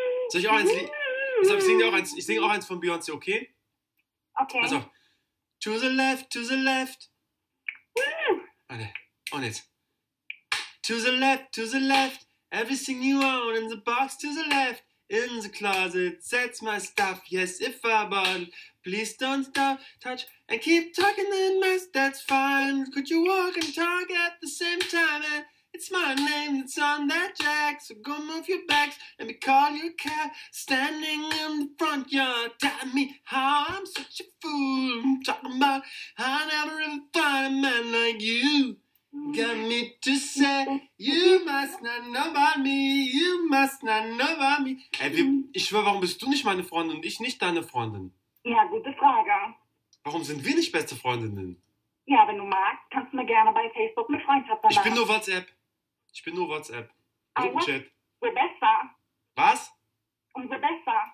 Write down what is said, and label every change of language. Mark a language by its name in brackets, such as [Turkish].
[German] Soll ich auch eins singen? Ich sing auch eins von Beyoncé, okay? okay. [English] Also, to the left, to the left. [German] Warte, und jetzt. [English] To the left, everything you own in the box, to the left, in the closet, that's my stuff, yes, if I bought, please don't stop, touch, and keep talking in mess, that's fine, could you walk and talk at the same time, and it's my name that's on that jack, so go move your bags, let me call your cab, standing in the front yard, telling me how I'm such a fool, I'm talking about how I never ever find a man like you. Got me to say, you must not know about me, you must not know about me. [German] Ich schwöre, warum bist du nicht meine Freundin und ich nicht deine Freundin? Ja, gute Frage. Warum sind wir nicht beste Freundinnen? Ja, wenn du magst, kannst du mir gerne bei Facebook eine Freundschaft Ich bin erlauben. nur WhatsApp. Ich bin nur WhatsApp. Aber Gruppenchat. umso besser. Was? Umso besser.